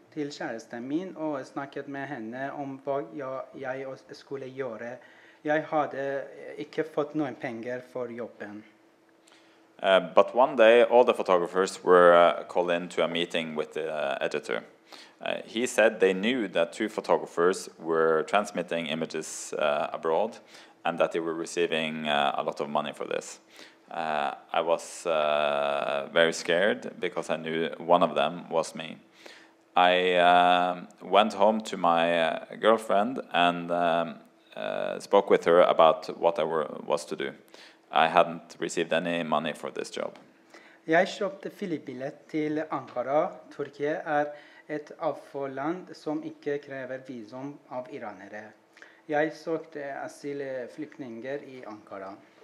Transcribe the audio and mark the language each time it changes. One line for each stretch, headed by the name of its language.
Swedish: till kärleken min och snackat med henne om vad jag skulle göra. Jag hade inte fått några pengar för jobben.
English: But one day, all the photographers were called in to a meeting with the editor. He said they knew that two photographers were transmitting images abroad and that they were receiving a lot of money for this. I was very scared because I knew one of them was me. I went home to my girlfriend and spoke with her about what I was to do. I hadn't received any money for this job.
Swedish: Jag köpte flygbiljett till Ankara. Turkiet är ett avfallsland som inte kräver visum av iranare. Jag sökte asylflyktingar i Ankara.